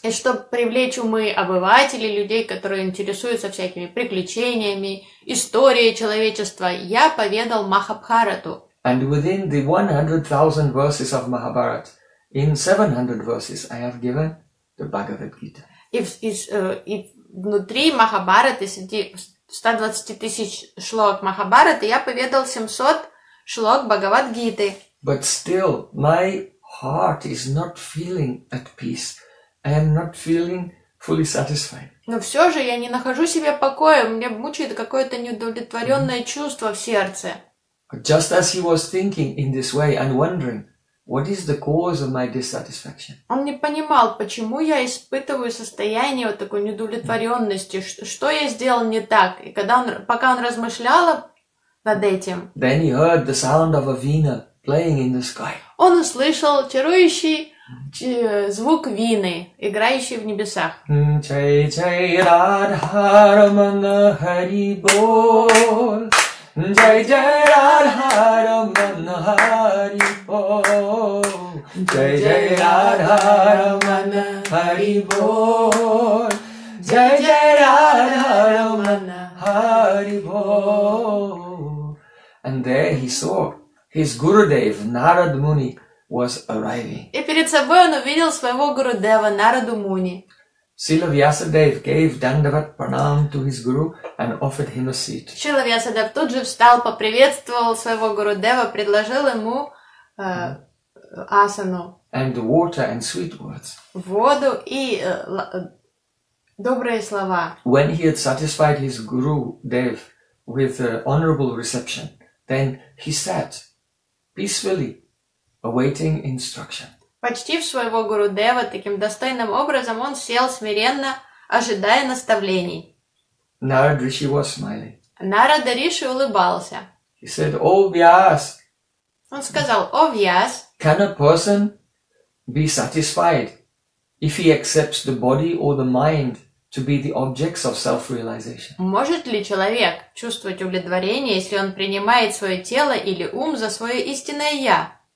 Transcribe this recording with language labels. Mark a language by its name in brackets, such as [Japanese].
[Russian] И чтобы привлечь умы обывателей, людей, которые интересуются всякими приключениями, историей человечества, я поведал Махабхарату. [English] And within the 100,000 verses of Mahabharata, in 700 verses, I have given the Bhagavad Gita. [Russian] И внутри Махабхараты, среди 120 тысяч шлок Махабхараты, я поведал 700 шлок Бхагавад Гиты. [English] But still, my heart is not feeling at peace. I am not feeling fully satisfied. [Russian] Но все же я не нахожу себе покоя. Меня мучает какое-то неудовлетворенное чувство в сердце. [English] Just as he was thinking in this way and wondering, what is the cause of my dissatisfaction? [Russian] Он не понимал, почему я испытываю состояние вот такой неудовлетворенности. Что я сделал не так? И когда он, пока он размышлял над этим. [English] Then he heard the sound of a veena playing in the sky. [Russian] Он услышал чарующий звук вины, играющий в небесах. [Sanskrit] Чай чай Радха Рамана Хари Бол. Чай чай Радха Рамана Хари Бол. Чай чай Радха Рамана Хари Бол. Чай чай Радха Рамана Хари Бол. [English] And there he saw his Gurudev, Narad Muni, was arriving. [Russian] И перед собой он увидел своего Гурудева, Нараду Муни. [English] Srila Vyasadeva gave Dandavat Pranam to his Guru and offered him a seat. [Russian] Srila Vyasadeva тут же встал, поприветствовал своего Гурудева, предложил ему асану. [English] And water and sweet words. [Russian] Воду и добрые слова. [English] When he had satisfied his Gurudev with honorable reception, then he sat peacefully awaiting instruction. [Russian] Почтив своего Гурудева таким достойным образом, он сел смиренно, ожидая наставлений. [English] Narada Rishi was smiling. [Russian] Narada Rishi улыбался. [English] He said, "O Vyas." [Russian] Он сказал, "О Вьяс." [English] Can a person be satisfied if he accepts the body or the mind to be the objects of self-realization? [Russian] Может ли человек чувствовать удовлетворение, если он принимает свое тело или ум за свое истинное я?